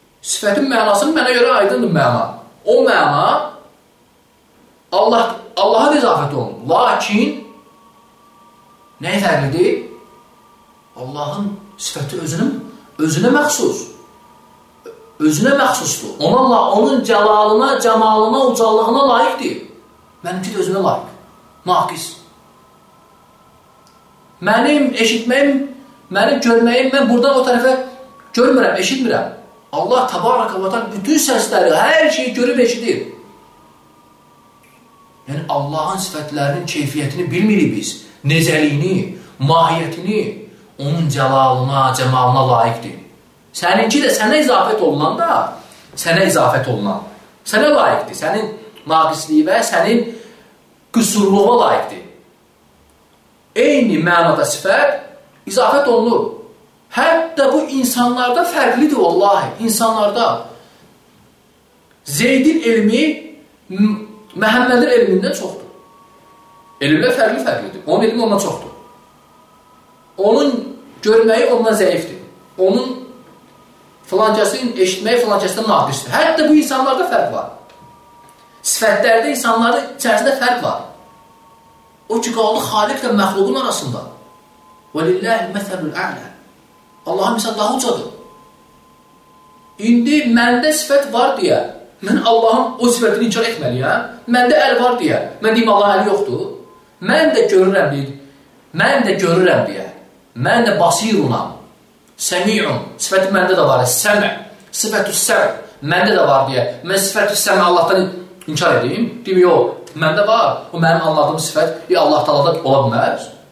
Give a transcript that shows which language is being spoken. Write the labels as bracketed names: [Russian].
[Azerbaijani] Sifətin mənasını mənə görə aydındır məna. O məna Allaha izafət olun. Lakin nəyə fərqlidir? Allahın sifəti özünə məxsus. Özünə məxsusdur. Onunla, onun cəlalına, cəmalına, ucallığına layiqdir. Mənimki də özünə layiq. Naqis. Mənim eşitməyim, mənim görməyim, mən burdan o tərəfə görmürəm, eşitmirəm. Allah təbarəka və təala bütün səsləri, hər şeyi görüb eşidir. Yəni, Allahın sifətlərinin keyfiyyətini bilmirik biz. Necəliyini, mahiyyətini onun cəlalına, cəmalına layiqdir. Səninki də sənə izafət olunan da, sənə izafət olunan, sənə layiqdir, sənin naqisliyi və sənin qüsurluğuna layiqdir. Eyni mənada sifət izafət olunur. Hətta bu insanlarda fərqlidir, vallahi, insanlarda. Zeydin elmi Məhəmmədin elmindən çoxdur. Elmdə fərqlidir, onun elmi ondan çoxdur. Onun görməyi ondan zəifdir. Onun filancasının eşitməyi filancasından naqisdir. Hətta bu insanlarda fərq var. Sifətlərdə insanların içərisində fərq var. O ki, qaldı xaliqlə məxluqun arasında. [Arabic] وَلِلَّهِ الْمَثَلُ الْاَعْلَى [Azerbaijani] Allahın misal daha ucadır. İndi məndə sifət var deyə, mən Allahın o sifətini inkar etməliyəm, məndə əl var deyə, mən deyim Allah əli yoxdur, mən də görürəm deyə, mən də görürəm deyə, mən də basirunam, səmiyun, sifəti məndə də var, səmə, sifətü səm, məndə də var deyə, mən sifətü səmə Allahdan inkar edeyim, deyim, yox, məndə var, o mənim anladığım sifət, Allah da Allah ola bilməz.